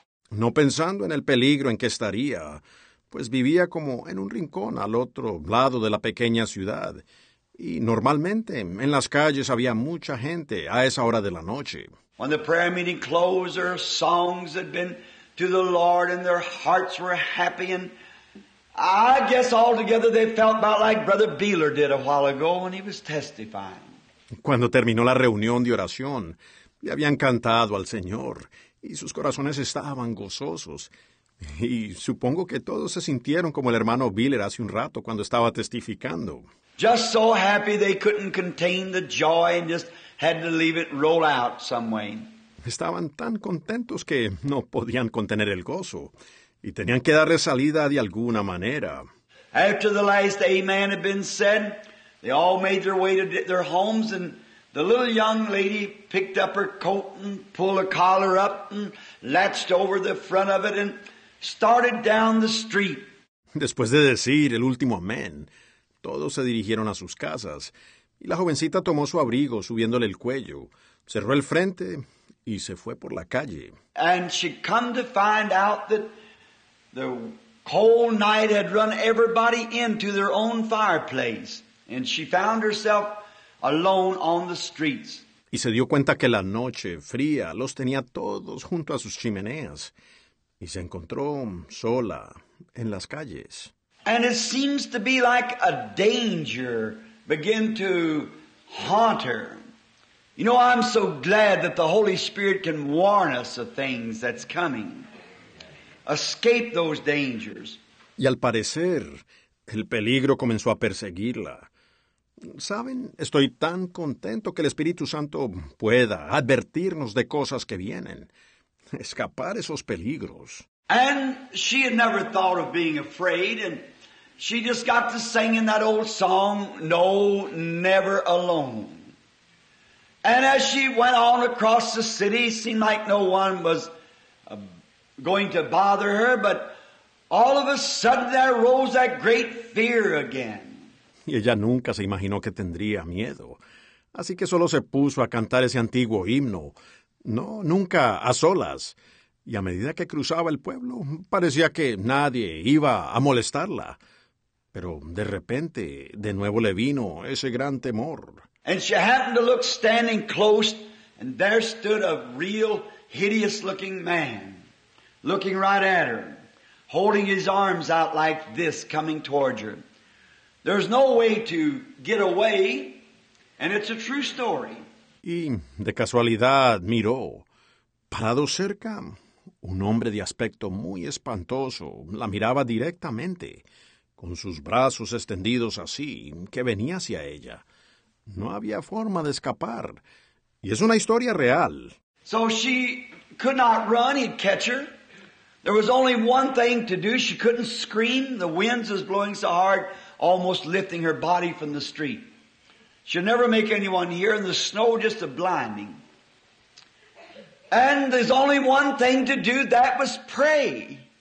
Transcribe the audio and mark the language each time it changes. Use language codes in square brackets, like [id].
[es] No pensando en el peligro en que estaría, pues vivía como en un rincón al otro lado de la pequeña ciudad. Y normalmente en las calles había mucha gente a esa hora de la noche. [en] When the prayer meeting closed, their songs had been to the Lord and their hearts were happy. And I guess altogether they felt about like Brother Beeler did a while ago when he was testifying. [es] Cuando terminó la reunión de oración, le habían cantado al Señor, y sus corazones estaban gozosos. Y supongo que todos se sintieron como el hermano Biller hace un rato cuando estaba testificando. [en] Just so happy they couldn't contain the joy and just had to leave it roll out some way. [es] Estaban tan contentos que no podían contener el gozo, y tenían que darle salida de alguna manera. [en] After the last amen had been said, they all made their way to their homes, and the little young lady picked up her coat and pulled a collar up and latched over the front of it and started down the street. [es] Después de decir el último amén, todos se dirigieron a sus casas, y la jovencita tomó su abrigo subiéndole el cuello, cerró el frente y se fue por la calle. [en] And she come to find out that the cold night had run everybody into their own fireplace, and she found herself alone on the streets. [es] Y se dio cuenta que la noche fría los tenía todos junto a sus chimeneas, y se encontró sola en las calles. [en] And it seems to be like a danger begin to haunt her. You know, I'm so glad that the Holy Spirit can warn us of things that's coming. Escape those dangers. [es] Y al parecer, el peligro comenzó a perseguirla. ¿Saben? Estoy tan contento que el Espíritu Santo pueda advertirnos de cosas que vienen. Escapar esos peligros. [en] And she had never thought of being afraid, and she just got to singing that old song, No, Never Alone. And as she went on across the city, it seemed like no one was going to bother her, but all of a sudden there rose that great fear again. [es] Y ella nunca se imaginó que tendría miedo, así que solo se puso a cantar ese antiguo himno, no, nunca, a solas. Y a medida que cruzaba el pueblo, parecía que nadie iba a molestarla. Pero de repente, de nuevo le vino ese gran temor. [en] And she happened to look standing close, and there stood a real hideous-looking man, looking right at her, holding his arms out like this, coming towards her. There's no way to get away, and it's a true story. [es] Y de casualidad miró, parado cerca, un hombre de aspecto muy espantoso la miraba directamente, con sus brazos extendidos así, que venía hacia ella. No había forma de escapar. Y es una historia real. [en] So she could not run, he'd catch her. There was only one thing to do. She couldn't scream. The winds was blowing so hard, almost lifting her body from the street. She'd never make anyone hear, and the snow just a blinding. And there's only one thing to do, that was pray.